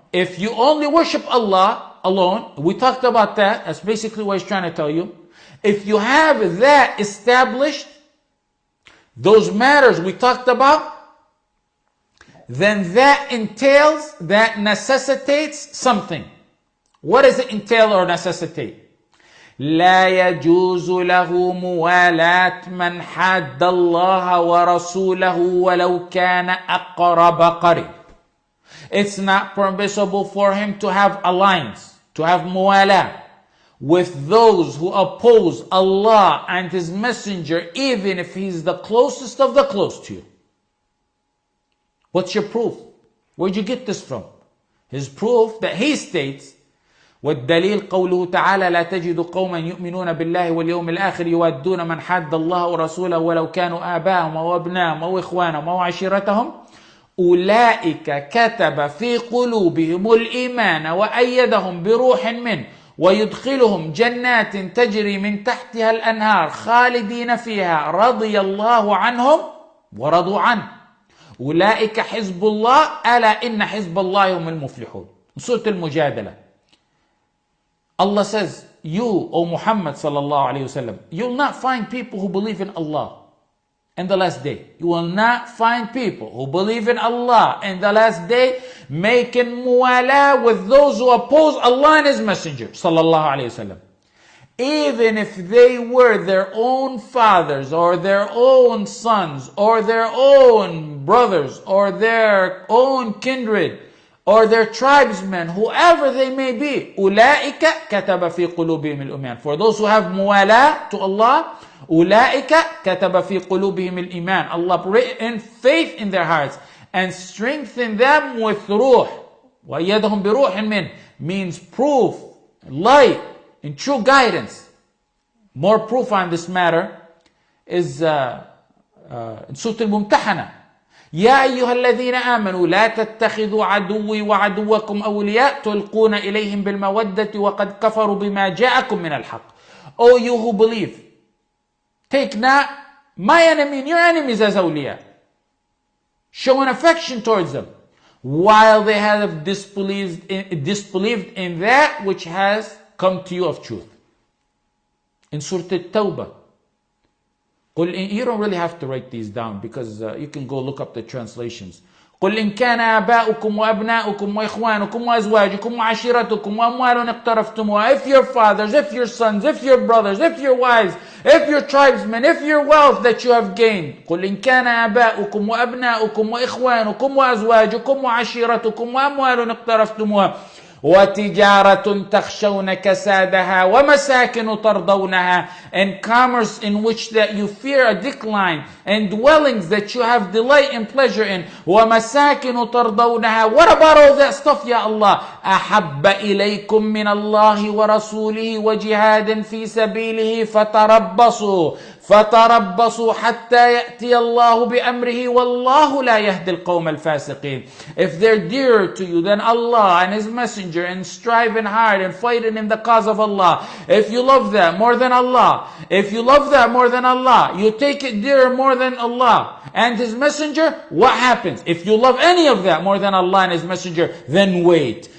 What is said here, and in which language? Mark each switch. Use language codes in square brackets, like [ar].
[en] If you only worship Allah alone, we talked about that. That's basically what he's trying to tell you. If you have that established, those matters we talked about, then that entails, that necessitates something. What does it entail or necessitate? [ar] لا يجوز له موالاة من حد الله ورسوله ولو كان أقرب قريب. [en] It's not permissible for him to have alliance, to have موالاة with those who oppose Allah and his messenger, even if he's the closest of the close to you. What's your proof? Where'd you get this from? His proof that he states, [ar] والدليل قوله تعالى لا تجد قوما يؤمنون بالله واليوم الآخر يودون من حد الله ورسوله ولو كانوا آباءهم أو أبناءهم أو إخوانهم أو عشيرتهم أولئك كتب في قلوبهم الإيمان وأيدهم بروح منه ويدخلهم جنات تجري من تحتها الأنهار خالدين فيها رضي الله عنهم ورضوا عنه أولئك حزب الله ألا إن حزب الله هم المفلحون. سورة المجادلة. [en] Allah says, you, O Muhammad sallallahu alayhi wasallam, you'll not find people who believe in Allah in the last day. You will not find people who believe in Allah in the last day making muwala with those who oppose Allah and His Messenger sallallahu alayhi wasallam. Even if they were their own fathers or their own sons or their own brothers or their own kindred, or their tribesmen, whoever they may be, [ar] أُولَٰئِكَ كَتَبَ فِي قُلُوبِهِمِ الْإِيمَانِ. [en] For those who have muwala to Allah, [ar] أُولَٰئِكَ كَتَبَ فِي قُلُوبِهِمِ الْإِيمَانِ. [en] Allah written faith in their hearts and strengthen them with ruh. [ar] وَيَدَهُمْ بِرُوحٍ مِنْ [en] means proof, light, and true guidance. More proof on this matter is in Surah Al-Mumtahana. [ar] يا أيها الذين آمنوا لا تتخذوا عدوي وعدوكم أولياء تلقون إليهم بالمودة وقد كفروا بما جاءكم من الحق. [en] O you who believe, take not my enemy and your enemies as أولياء. Show an affection towards them while they have disbelieved in that which has come to you of truth. In Surah At-Tawbah. قل, you don't really have to write these down because you can go look up the translations. [ar] قل إن كان آباؤكم وأبناؤكم وإخوانكم وأزواجكم وعشيرتكم وأموال اقترفتموها. [en] If your fathers, if your sons, if your brothers, if your wives, if your tribesmen, if your wealth that you have gained. [ar] قل إن كان آباؤكم وأبناؤكم وإخوانكم وأزواجكم وعشيرتكم وأموال اقترفتموها. وتجارة تخشون كسادها ومساكن ترضونها. [en] And commerce in which that you fear a decline, and dwellings that you have delight and pleasure in. [ar] ومساكن ترضونها. [en] What about all that stuff, ya Allah? [ar] أحب إليكم من الله ورسوله وجهاد في سبيله فتربصوا فتربصوا حتى يأتي الله بأمره والله لا يهدي القوم الفاسقين. [en] If they're dearer to you than Allah and His Messenger and striving hard and fighting in the cause of Allah, if you love that more than Allah, if you love that more than Allah, you take it dearer more than Allah and His Messenger, what happens? If you love any of that more than Allah and His Messenger, then wait.